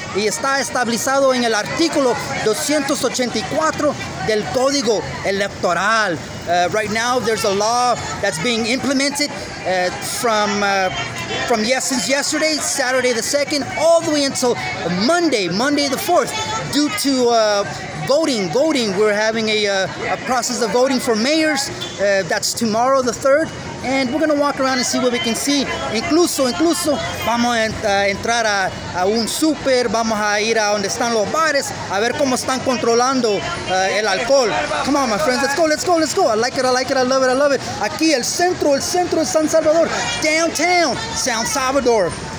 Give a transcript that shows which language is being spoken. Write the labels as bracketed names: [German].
[Spanish] Y está establecido en el artículo 284 del Código Electoral. [English] Right now, there's a law that's being implemented since yesterday, Saturday the 2nd, all the way until Monday the 4th, due to voting. We're having a process of voting for mayors. That's tomorrow the 3rd. And we're going to walk around and see what we can see. [Spanish] Incluso, vamos a entrar a un super, vamos a ir a donde están los bares, a ver cómo están controlando el alcohol. [English] Come on, my friends, let's go. I love it. [Spanish] Aquí, el centro de San Salvador. [English] Downtown, San Salvador.